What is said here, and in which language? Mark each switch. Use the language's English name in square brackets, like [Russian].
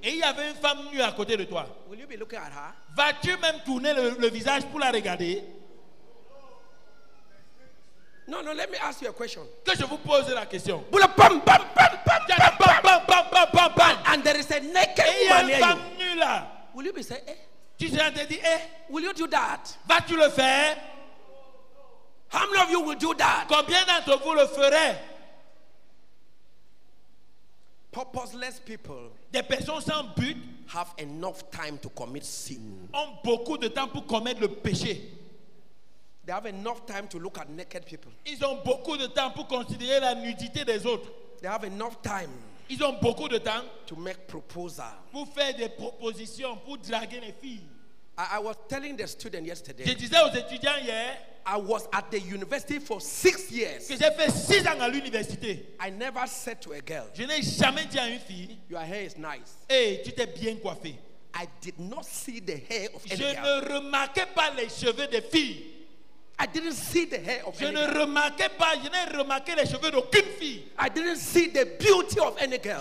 [French] Et il y avait une femme nue à côté de toi. [English] Will you be looking at her? [French] Vas-tu même tourner le visage pour la regarder? [English] No, no, let me ask you a question. [French] Que je vous pose la question. Bullet, bam, bam, bam, bam, bam, bam, bam, bam, bam, bam, bam. [English] And there is a naked woman near you. [French] Et une femme nue là. [English] Will you be saying, eh? [French] Tu seras dit, eh? [English] Will you do that? [French] Vas-tu le faire? [English] How many of you will do that? [French] Combien d'entre vous le feraient? [English] Purposeless people. [French] Des personnes sans but. [English] Have enough time to commit sin. [French] Ont beaucoup de temps pour commettre le péché. [English] They have enough time to look at naked people. [French] Ils ont beaucoup de temps pour considérer la nudité des autres. [English] They have enough time. [French] Ils ont beaucoup de temps [English] to make proposal. [French] Pour faire des propositions, pour draguer les filles. [English] I was telling the student yesterday. [French] Je disais aux étudiants hier. [English] I was at the university for 6 years. [French] Que j'ai fait 6 ans à l'université. [English] I never said to a girl. [French] Je n'ai jamais dit à une fille. [English] Your hair is nice. [French] Hey, tu t'es bien coiffé. [English] I did not see the hair of any girl. [French] Je ne remarquais pas les cheveux des filles. [English] I didn't see the hair of [French] je [English] any [French] ne [English] girl. [French] Remarquais pas, je n'ai remarqué les cheveux d'aucune fille. [English] I didn't see the beauty of any girl.